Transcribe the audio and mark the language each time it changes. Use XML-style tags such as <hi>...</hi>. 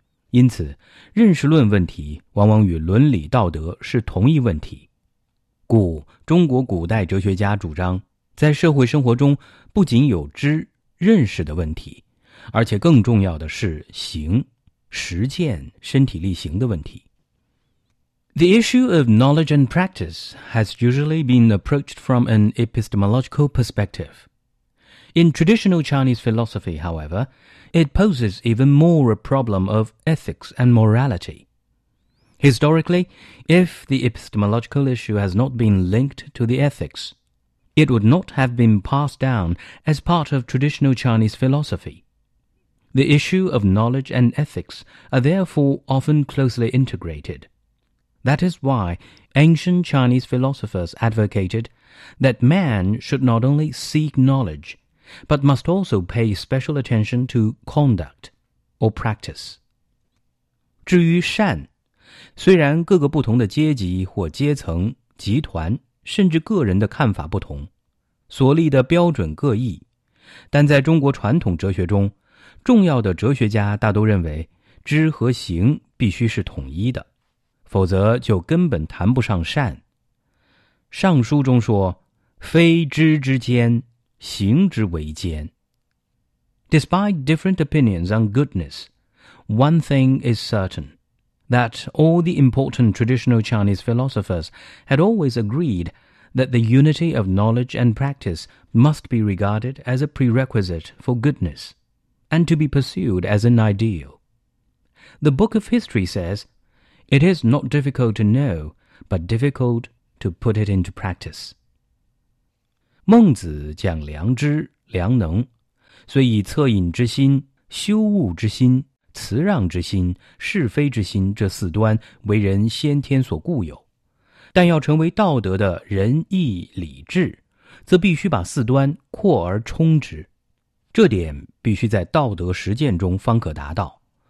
<zh>因此，认识论问题往往与伦理道德是同一问题。故中国古代哲学家主张，在社会生活中不仅有知、认识的问题，而且更重要的是行、实践、身体力行的问题。</zh> <en>The issue of knowledge and practice has usually been approached from an epistemological perspective. In traditional Chinese philosophy, however, it poses even more a problem of ethics and morality. Historically, if the epistemological issue has not been linked to the ethics, it would not have been passed down as part of traditional Chinese philosophy. The issue of knowledge and ethics are therefore often closely integrated. That is why ancient Chinese philosophers advocated that man should not only seek knowledge, but must also pay special attention to conduct or practice.</en> <zh>至于善，虽然各个不同的阶级或阶层、集团甚至个人的看法不同，所立的标准各异，但在中国传统哲学中，重要的哲学家大都认为知和行必须是统一的。否则就根本谈不上善。尚书中说，非知之坚，行之为坚。</zh> <en>Despite different opinions on goodness, one thing is certain, that all the important traditional Chinese philosophers had always agreed that the unity of knowledge and practice must be regarded as a prerequisite for goodness, and to be pursued as an ideal. The Book of History says,It is not difficult to know, but difficult to put it into practice.</en> <zh>孟子讲良知、良能，虽以恻隐之心、羞恶之心、辞让之心、是非之心这四端为人先天所固有，但要成为道德的仁义礼智，则必须把四端扩而充之，这点必须在道德实践中方可达到。</zh>